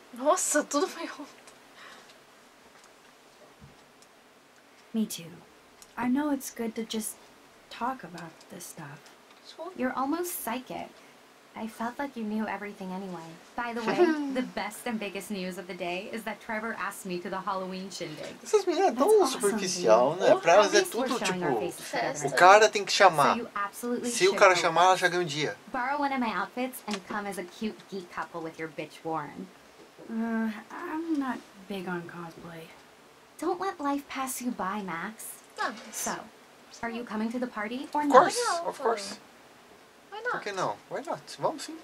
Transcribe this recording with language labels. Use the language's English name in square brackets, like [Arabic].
[Portuguese] Nossa, tudo foi ontem. [English] Me too. I know it's good to just talk about this stuff. You're almost psychic. I felt like you knew everything anyway. By the way, the best and biggest news of the day is that Trevor asked me to the Halloween shindig. [Portuguese] Essas meninas tão awesome, superficial, né? Pra elas é tudo tipo, o cara tem que chamar. [English] So [Portuguese] se o cara chamar, ela já ganha um dia. [English] Borrow one of my outfits and come as a cute geek couple with your bitch Warren. I'm not big on cosplay. Don't let life pass you by, Max. So, are you coming to the party or not? Of course, of course. Why not? Okay, no. Why not? [Portuguese] Vamos sim.